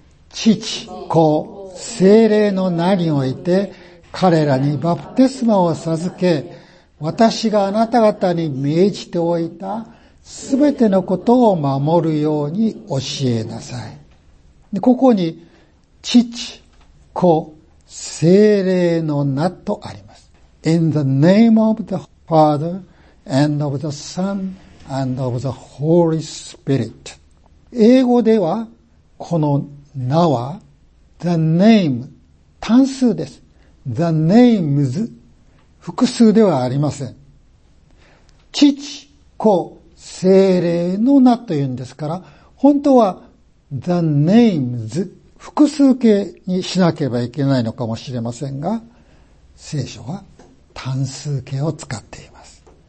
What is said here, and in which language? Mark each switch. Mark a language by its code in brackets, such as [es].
[ja] 父、子、聖霊の名において、彼らにバプテスマを授け、私があなた方に命じておいた、すべてのことを守るように教えなさい。で、ここに、父、子、聖霊の名とあります。 [en] In the name of the Father, and of the Son, and of the Holy Spirit. [ja] 英語では、この名は、the name、単数です。 the names、複数ではありません。父、子、聖霊の名というんですから、本当は、the names、複数形にしなければいけないのかもしれませんが、聖書は単数形を使っています。